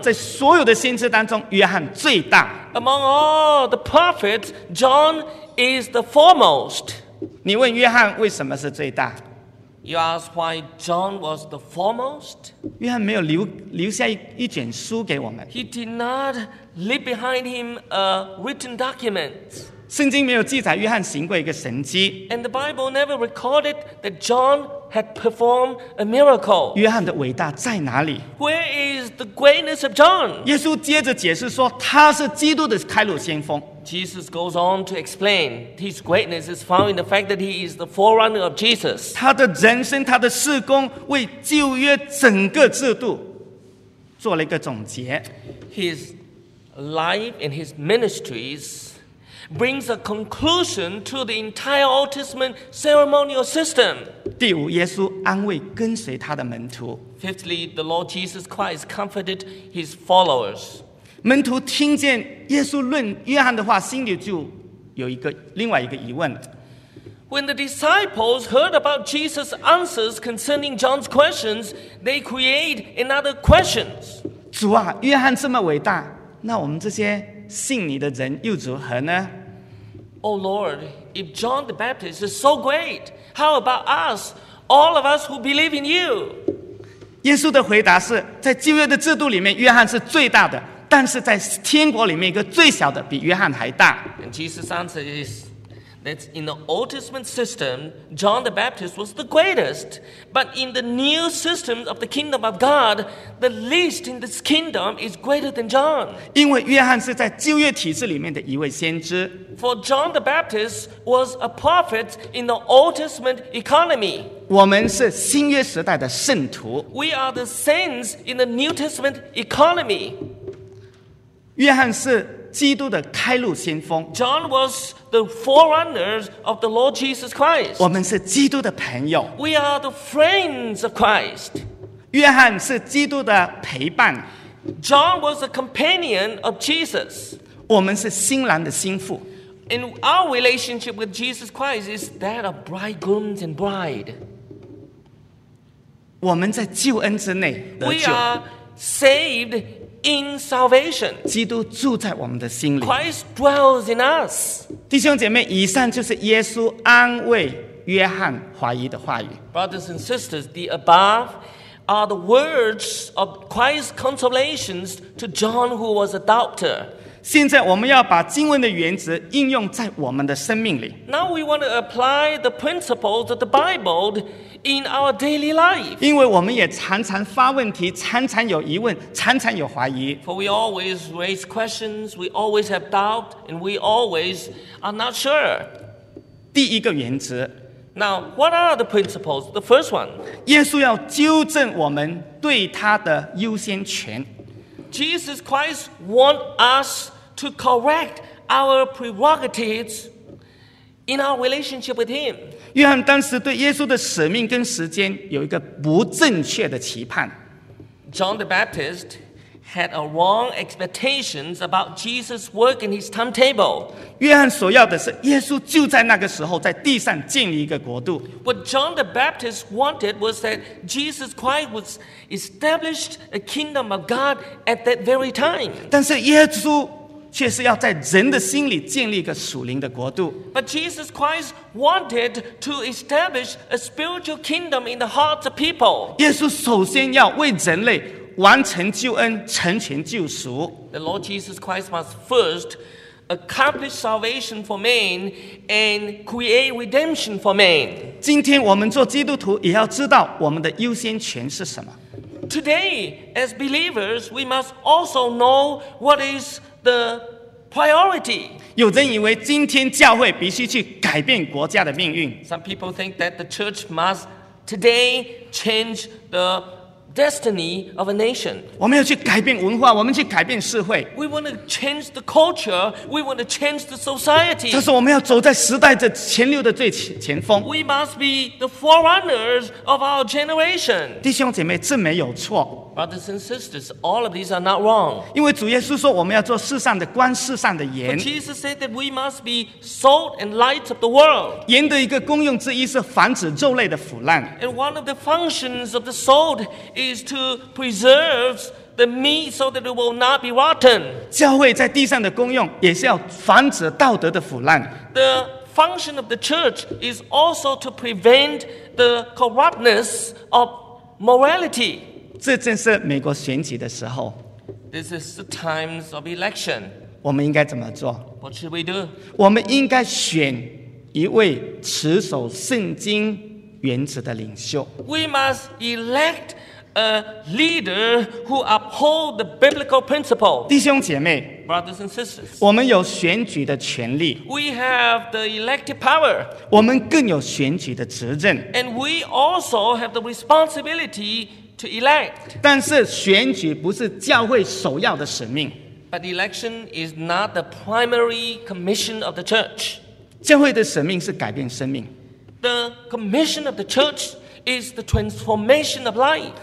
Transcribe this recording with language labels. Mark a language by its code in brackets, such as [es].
[zh] 在所有的先知当中，约翰最大。 [en] Among all the prophets, John is the foremost. [zh] 你问约翰为什么是最大？ [en] You ask why John was the foremost? [zh] 约翰没有留下一卷书给我们。 [en] He did not leave behind him a written document. [zh] 圣经没有记载约翰行过一个神迹。 [en] And the Bible never recorded that John had performed a miracle. [zh] 约翰的伟大在哪里？ [en] Where is the greatness of John? [zh] 耶稣接着解释说，他是基督的开路先锋。 [en] Jesus goes on to explain his greatness is found in the fact that he is the forerunner of Jesus. [zh] 他的人生，他的事工，为旧约整个制度做了一个总结。 [en] His life and his ministries brings a conclusion to the entire Old Testament ceremonial system. [zh] 第五，耶稣安慰跟随他的门徒。 [en] Fifthly, the Lord Jesus Christ comforted his followers. [zh] 门徒听见耶稣论约翰的话，心里就有一个另外一个疑问。 [en] When the disciples heard about Jesus' answers concerning John's questions, they create another questions. [zh] 主啊，约翰这么伟大，那我们这些信你的人又如何呢？ [en] Oh Lord, if John the Baptist is so great, how about us, all of us who believe in you? [zh] 耶稣的回答是，在旧约的制度里面，约翰是最大的，但是在天国里面，一个最小的比约翰还大。 [en] And Jesus' answer is, that in the Old Testament system, John the Baptist was the greatest. But in the new system of the kingdom of God, the least in this kingdom is greater than John. [zh] 因为约翰是在旧约体制里面的一位先知。 [en] For John the Baptist was a prophet in the Old Testament economy. [zh] 我们是新约时代的圣徒。 [en] We are the saints in the New Testament economy. [zh] 约翰是基督的开路先锋。 [en] John was the forerunner of the Lord Jesus Christ. [zh] 我们是基督的朋友。 [en] We are the friends of Christ. [zh] 约翰是基督的陪伴。 [en] John was a companion of Jesus. [zh] 我们是新郎的新妇。 [en] And our relationship with Jesus Christ is that of bridegrooms and bride. [zh] 我们在救恩之内得救。 [en] We are saved. In salvation, [zh] 基督住在我们的心里。 [en] Christ dwells in us. [zh] 弟兄姐妹，以上就是耶稣安慰约翰怀疑的话语。 [en] Brothers and sisters, the above are the words of Christ's consolations to John, who was a doubter. [zh] 现在我们要把经文的原则应用在我们的生命里。 [en] Now we want to apply the principles of the Bible. In our daily life, [zh] 因为我们也常常发问题，常常有疑问，常常有怀疑。 [en] For we always raise questions, we always have doubt, and we always are not sure. [zh] 第一个原则。 [en] Now, what are the principles? The first one. [zh] 耶稣要纠正我们对他的优先权。 [en] Jesus Christ wants us to correct our prerogatives. In our relationship with him, [zh] 约翰当时对耶稣的使命跟时间有一个不正确的期盼。 [en] John the Baptist had a wrong expectations about Jesus' work and his timetable. [zh] 约翰所要的是耶稣就在那个时候在地上建立一个国度。 [en] What John the Baptist wanted was that Jesus Christ was established a kingdom of God at that very time. [zh] 但是耶稣却是要在人的心里建立一个属灵的国度。 [en] But Jesus Christ wanted to establish a spiritual kingdom in the hearts of people. [zh] 耶稣首先要为人类完成救恩，成全救赎。 [en] The Lord Jesus Christ must first accomplish salvation for man and create redemption for man. [zh] 今天我们做基督徒也要知道我们的优先权是什么。 [en] Today, as believers, we must also know what is. The priority. [zh] 有人以为今天教会必须去改变国家的命运。 [en] Some people think that the church must today change the destiny of a nation. [zh] 我们要去改变文化，我们去改变社会。 [en] We want to change the culture. We want to change the society. [zh] 这是我们要走在时代的前流的最前锋。 [en] We must be the forerunners of our generation. [zh] 弟兄姐妹，这没有错。 [en] Brothers and sisters, all of these are not wrong. [zh] 因为主耶稣说我们要做世上的光，世上的盐。 [en] For Jesus said that we must be salt and light of the world. [zh] 盐的一个功用之一是防止肉类的腐烂。 [en] And one of the functions of the salt is to preserve the meat so that it will not be rotten. [zh] 教会在地上的功用也是要防止道德的腐烂。 [en] The function of the church is also to prevent the corruptness of morality. [zh] 这正是美国选举的时候。 [en] This is the times of election. [zh] 我们应该怎么做？ [en] What should we do? [zh] 我们应该选一位持守圣经原则的领袖。 [en] We must elect a leader who upholds the biblical principle. [zh] 弟兄姐妹， [en] Brothers and sisters, [zh] 我们有选举的权利。 [en] We have the elective power. [zh] 我们更有选举的执政。 [en] And we also have the responsibility. To elect. [zh] 但是选举不是教会首要的使命。 [en] But election is not the primary commission of the church. [zh] 教会的使命是改变生命。 [en] The commission of the church is the transformation of life.